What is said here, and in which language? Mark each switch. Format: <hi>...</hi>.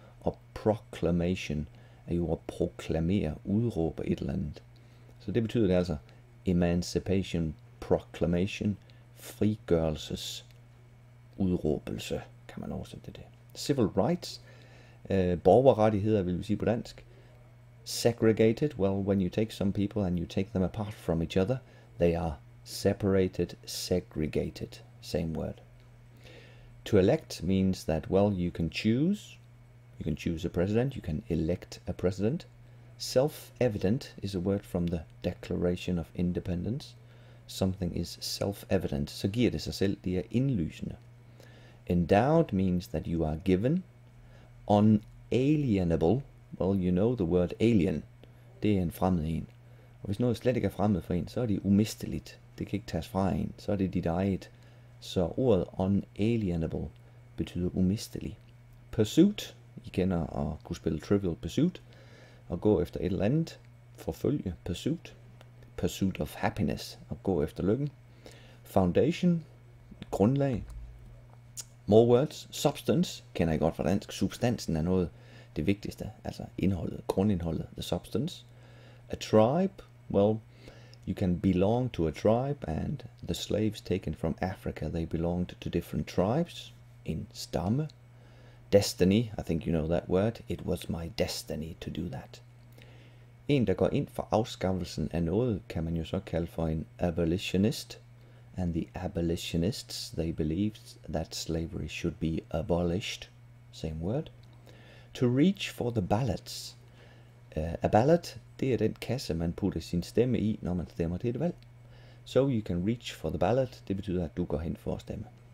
<da>Og proclamation er jo at proklamere, udråbe et eller andet. Så det betyder det altså emancipation proclamation, frigørelses udråbelse, kan man oversætte det. Civil rights, borgerrettigheder vil vi sige på dansk.</da> <en>Segregated, well, when you take some people and you take them apart from each other, they are separated, segregated, same word. To elect means that, well, you can choose a president, you can elect a president. Self-evident is a word from the Declaration of Independence. Something is self-evident.</en> <da>Så giver det sig selv, det er indlysende.</da> <en>Endowed means that you are given. Unalienable, well, you know the word alien,</en> <da>det er en fremmed en. Og hvis noget slet ikke er fremmed for en, så er det umisteligt. Det kan ikke tages fra en, så er det dit eget. Så ordet unalienable betyder umistelig. Pursuit, I kender at kunne spille Trivial Pursuit, og gå efter et eller andet, forfølge, pursuit. Pursuit of happiness, at gå efter lykken. Foundation, grundlag.</da> <en>More words,</en> <da>substance, kender I godt fra dansk. Substansen er noget det vigtigste, altså indholdet, grundindholdet, the substance.</da> <en>A tribe, well, you can belong to a tribe, and the slaves taken from Africa, they belonged to different tribes in stamme. Destiny, I think you know that word. It was my destiny to do that.</en> <da>En, der går ind for afskaffelsen af noget, kan man jo så kalde for en abolitionist.</da> <en>And the abolitionists, they believed that slavery should be abolished. Same word. To reach for the ballots.</en> <da>A ballot, det er den kasse, man putter sin stemme i, når man stemmer til et valg.</da> <en>So you can reach for the ballot,</en> <da>det betyder, at du går hen for at stemme.</da>